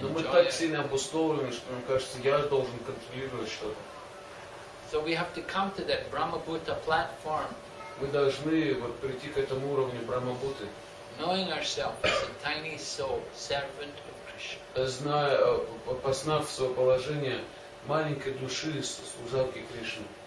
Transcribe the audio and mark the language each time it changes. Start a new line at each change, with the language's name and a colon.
Russian: Но мы так сильно обусловлены, что нам кажется, я должен контролировать что-то.
English: So we have to come to that Brahma-Bhuta platform.
Russian: Мы должны вот прийти к этому уровню Брахма-Бхуты.
English: Knowing ourselves as a tiny soul, servant of Krishna.
Russian: Зная, познав свое положение маленькой души, служанки Кришны.